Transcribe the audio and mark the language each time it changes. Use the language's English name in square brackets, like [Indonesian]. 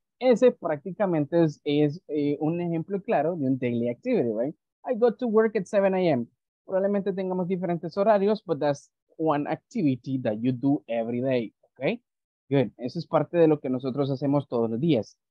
[Spanish] Ese prácticamente es un ejemplo claro de un [English] daily activity, [Spanish] right? [English] I go to work at 7 a.m. [Spanish] Probablemente tengamos diferentes horarios, [English] but that's one activity that you do every day, okay? Good. [Spanish] Eso es parte de lo que nosotros hacemos todos los días.